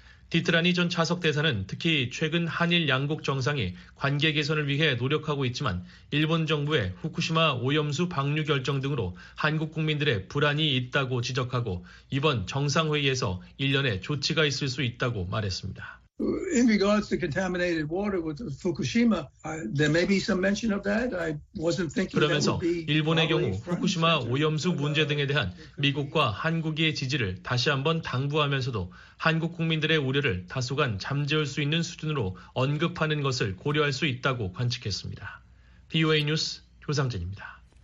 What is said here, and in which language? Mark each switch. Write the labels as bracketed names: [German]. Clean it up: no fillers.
[Korean] 디트라니 전 차석 대사는 특히 최근 한일 양국 정상이 관계 개선을 위해 노력하고 있지만 일본 정부의 후쿠시마 오염수 방류 결정 등으로 한국 국민들의 불안이 있다고 지적하고 이번 정상회의에서 일련의 조치가 있을 수 있다고 말했습니다. [English] In regards to contaminated water with Fukushima, there may be some mention of that. I wasn't thinking. [Korean] 그러면서 일본의 경우 후쿠시마 오염수 문제 등에 대한 미국과 한국의 지지를 다시 한번 당부하면서도 한국 국민들의 우려를 다소간 잠재울 수 있는 수준으로 언급하는 것을 고려할 수 있다고 관측했습니다. VOA 뉴스 조상진입니다.